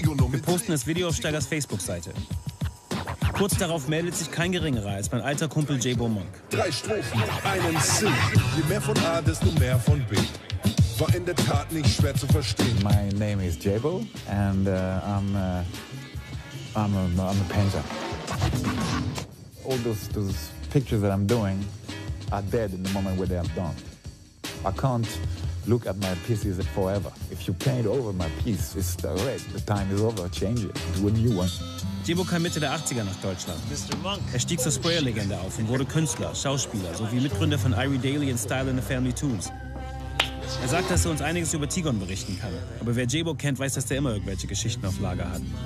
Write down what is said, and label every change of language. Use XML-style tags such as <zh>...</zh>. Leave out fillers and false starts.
<de>Wir posten das Video auf Steigers Facebook-Seite. Kurz darauf meldet sich kein Geringerer als mein alter Kumpel J-Bo Monk. Drei Strophen, einen Sinn. Je mehr von A, desto mehr von B. War in der Tat nicht schwer zu verstehen.</de> <en>My name is J-Bo and I'm a painter. All those pictures that I'm doing are dead in the moment where they are done. I can't look at my pieces forever. If you paint over my piece, it's the red. The time is over. Change it. Do a new one.</en> <de>J-Bo kam Mitte der 80er nach Deutschland. Mr. Monk. Er stieg zur Sprayer-Legende auf und wurde Künstler, Schauspieler sowie Mitgründer von Irie Daily und Style in the Family Tunes. Er sagt, dass er uns einiges über Tigon berichten kann. Aber wer J-Bo kennt, weiß, dass der immer irgendwelche Geschichten auf Lager hat.</de>